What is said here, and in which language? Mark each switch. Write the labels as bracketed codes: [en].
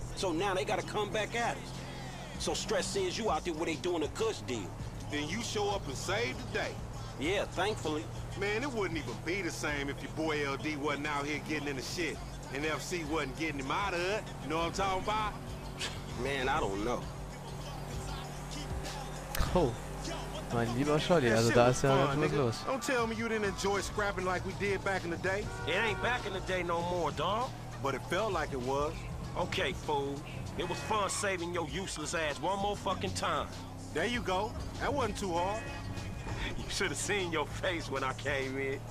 [en] So now they gotta come back at us. So Stress sends you out there where they doing a kush deal. Then you show up and save the day. Yeah, thankfully. Man, it wouldn't even be the same if your boy LD wasn't out here getting in the shit. And FC wasn't getting him out of it. You know what I'm talking about? Man, I don't know. [de] Oh, mein lieber Scholli, also da ist ja wirklich los. [en] Don't tell me you didn't enjoy scrapping like we did back in the day. It ain't back in the day no more, dawg. But it felt like it was. Okay, fool. It was fun saving your useless ass one more fucking time. There you go. That wasn't too hard. You should have seen your face when I came in.